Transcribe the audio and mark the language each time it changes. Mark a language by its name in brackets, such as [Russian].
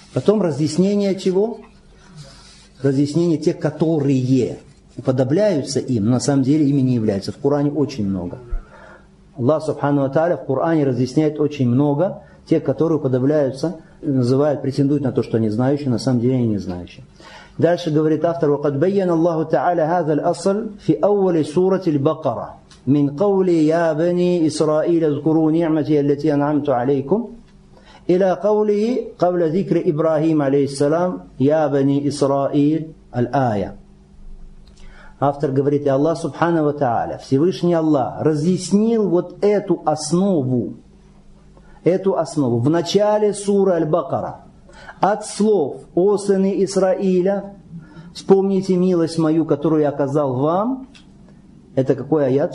[Russian] Потом разъяснение чего? Разъяснение тех, которые уподобляются им, на самом деле ими не являются. В Коране очень много. Аллах Субхану ва Тааля в Коране разъясняет очень много тех, которые уподобляются, называют, претендуют на то, что они знающие, на самом деле они не знающие. Дальше говорит автор: [Arabic] وَقَدْ بَيَّنَ اللَّهُ تَعَالَى هَذَا الْأَصْلَ فِي أَوَّلِ سُورَةِ الْبَقَرَةِ مِنْ قَوْلِ يَا بَنِي إِسْرَائِيلَ اذْكُرُوا نِعْمَتِيَ الَّتِي أَنْعَمْتُ عَلَيْكُمْ إِلَى قَوْلِهِ قَبْلَ ذِكْرِ إِبْرَاهِيمَ عَلَيْهِ السَّلَامِ يَا بَنِي إِسْرَائِيلَ الْآيَةُ. [Russian] Автор говорит, и Аллах Субхана ва Тааля, Всевышний Аллах, разъяснил вот эту основу в начале суры Аль-Бакара, от слов: «О сыны Исраиля, вспомните милость мою, которую я оказал вам». Это какой аят?